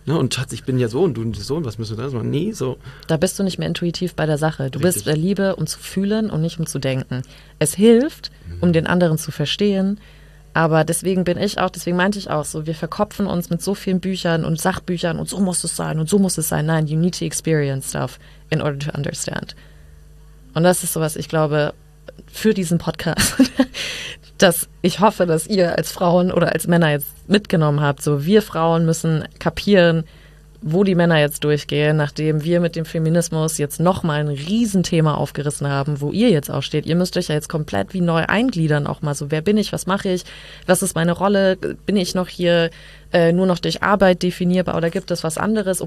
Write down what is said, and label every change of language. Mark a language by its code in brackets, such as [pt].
[de] Ne, und Schatz, ich bin ja so und du und so und was müssen wir da machen? Nee, so. Da bist du nicht mehr intuitiv bei der Sache. Du, richtig, bist der Liebe, um zu fühlen und nicht um zu denken. Es hilft, um den anderen zu verstehen. Aber deswegen bin ich auch, deswegen meinte ich auch so, wir verkopfen uns mit so vielen Büchern und Sachbüchern und so muss es sein und so muss es sein. Nein, [en] you need to experience stuff in order to understand. [de] Und das ist sowas, ich glaube, für diesen Podcast... dass ich hoffe, dass ihr als Frauen oder als Männer jetzt mitgenommen habt. So, wir Frauen müssen kapieren, wo die Männer jetzt durchgehen, nachdem wir mit dem Feminismus jetzt nochmal ein Riesenthema aufgerissen haben, wo ihr jetzt auch steht. Ihr müsst euch ja jetzt komplett wie neu eingliedern auch mal. So, wer bin ich, was mache ich, was ist meine Rolle, bin ich noch hier nur noch durch Arbeit definierbar oder gibt es was anderes?